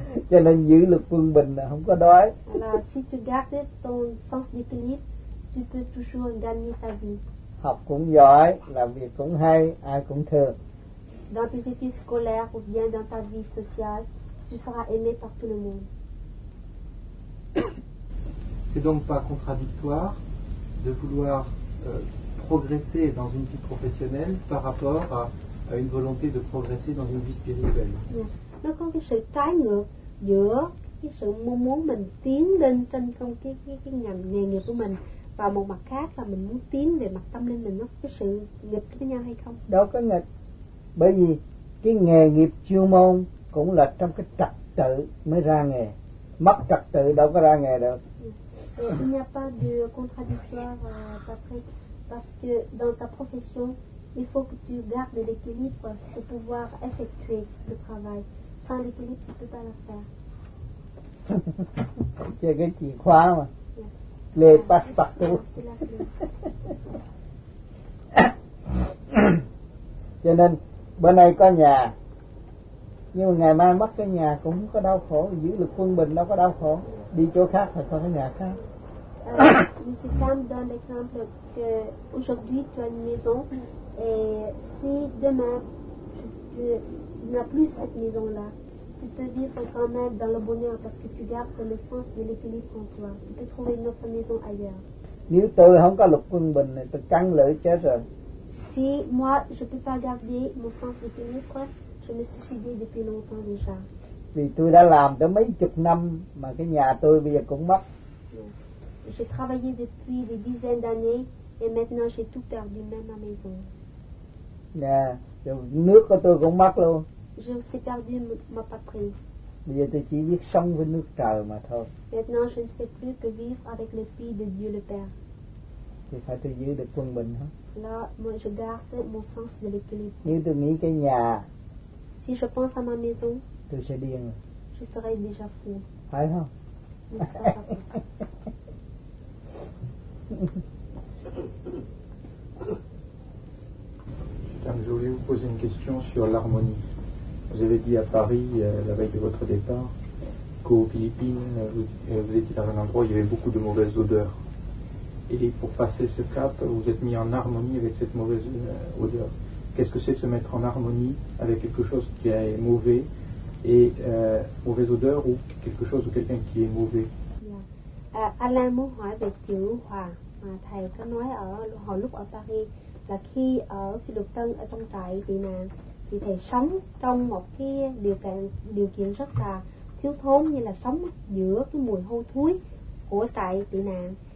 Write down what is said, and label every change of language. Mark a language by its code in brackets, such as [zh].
[vi] Cho nên giữ lực quân bình là không có đói. [fr] Alors, si tu gardes ton sens d'équilibre, tu peux toujours gagner ta vie. [vi] Học cũng giỏi, làm việc cũng hay, ai cũng thương. [fr] Dans tes études scolaires ou bien dans ta vie sociale, tu seras aimé par tout le monde. C'est donc pas contradictoire de vouloir progresser dans une vie professionnelle par rapport à une volonté de progresser dans une vie spirituelle. [vi] Nó có cái sự trái ngược giữa cái sự mong muốn mình tiến lên trên công cái ngành nghề nghiệp của mình và một mặt khác là mình muốn tiến về mặt tâm linh, mình nó cái sự nghịch với nhau hay không? Đâu có nghịch. Bởi vì cái nghề nghiệp chuyên môn cũng là trong cái trật tự mới ra nghề. Mất trật tự đâu có ra nghề được. [fr] Il n'y a pas de contradictoire, Patrick, parce que dans ta profession, il faut que tu gardes l'équilibre pour pouvoir effectuer le travail. Sans l'équilibre, tu ne peux pas le faire. C'est [vi] cái chìa khóa mà. [fr] Les passe-partout. [vi] Cho nên bữa nay có nhà nhưng mà ngày mai mất cái nhà cũng không có đau khổ, giữ được quân bình đâu có đau khổ, đi chỗ khác thì có cái nhà khác. [fr] Monsieur Tam donne l'exemple que aujourd'hui tu as une maison et si demain tu n'as plus cette maison là, C'est-à-dire que quand même dans le bonheur, parce que tu gardes le sens de l'équilibre en toi, tu peux trouver une autre maison ailleurs. [vi] Nếu tôi không có lục quân bình thì tôi căng lưỡi chết rồi. [fr] Si moi je peux pas garder mon sens d'équilibre, je me suis suicidé depuis longtemps déjà. [vi] Vì tôi đã làm tới mấy chục năm mà cái nhà tôi bây giờ cũng mất. [fr] J'ai travaillé depuis des dizaines d'années et maintenant j'ai tout perdu, même ma maison. [vi] Yeah, rồi nước của tôi cũng mất luôn. [fr] J'ai aussi perdu ma patrie. [vi] Bây giờ tôi chỉ biết sống với nước trời mà thôi. [fr] Maintenant je ne sais plus que vivre avec le fils de Dieu le Père. [vi] Thì phải tôi giữ được quân bình hả? [fr] Là, moi je garde mon sens de l'équilibre. [vi] Nếu tôi nghĩ cái nhà. [fr] Si je pense à ma maison. [vi] Tôi sẽ điên. [fr] Je serai déjà fou. [vi] Phải không? [fr] Madame, je voulais vous poser une question sur l'harmonie. Vous avez dit à Paris, la veille de votre départ, qu'aux Philippines, vous étiez dans un endroit où il y avait beaucoup de mauvaises odeurs. Et pour passer ce cap, vous êtes mis en harmonie avec cette mauvaise odeur. Qu'est-ce que c'est de se mettre en harmonie avec quelque chose qui est mauvais et mauvaise odeur ou quelque chose ou quelqu'un qui est mauvais? [vi] Alain muốn hỏi về chữ hòa. Thầy có nói ở hồi lúc ở Paris là khi ở Phi Lục Tân ở trong trại tị nạn thì thầy sống trong một cái điều kiện rất là thiếu thốn, như là sống giữa cái mùi hôi thối của trại tị nạn.